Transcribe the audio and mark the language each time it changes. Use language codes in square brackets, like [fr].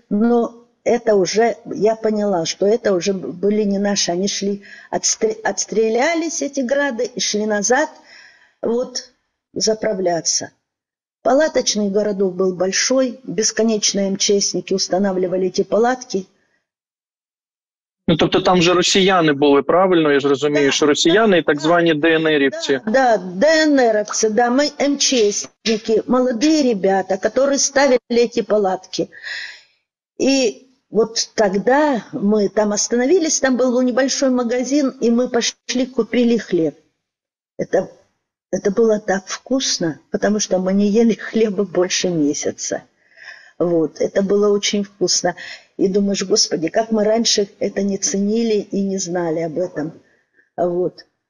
[ru] Но это уже, я поняла, что это уже были не наши. Они шли, отстрелялись эти грады и шли назад, вот, заправляться. Палаточный городок был большой, бесконечные МЧСники устанавливали эти палатки. [uk] Ну, тобто там же росіяни були, правильно, я ж розумію, да, що росіяни, да, і так звані ДНРівці. Да, ДНРівці, да, ми МЧСники, молоді ребята, які ставили [ru] эти палатки. І вот тогда мы там остановились, там был небольшой магазин, и мы пошли, купили хлеб. Это было так вкусно, потому что мы не ели хлеба больше месяца. Вот, это было очень вкусно. И думаешь, Господи, как мы раньше это не ценили и не знали об этом. Вот.